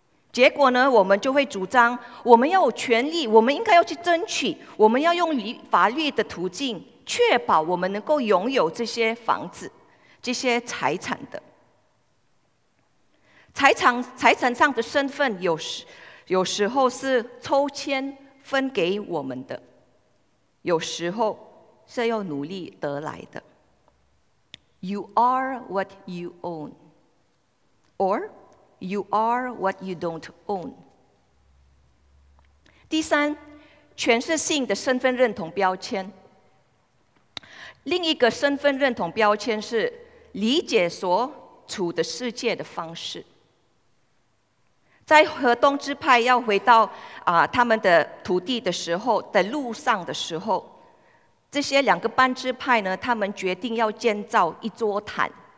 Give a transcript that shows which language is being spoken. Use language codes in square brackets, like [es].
[zh] 结果呢，我们就会主张我们要有权利，我们应该要去争取，我们要用法律的途径确保我们能够拥有这些房子、这些财产的。财产上的身份有时候是抽签分给我们的，有时候是要努力得来的。 [en] You are what you own, or you are what you don't own. [zh] 第三，诠释性的身份认同标签。另一个身份认同标签是理解所处的世界的方式。在河东支派要回到他们的土地的时候，的路上的时候，这些两个半支派呢，他们决定要建造一座坛。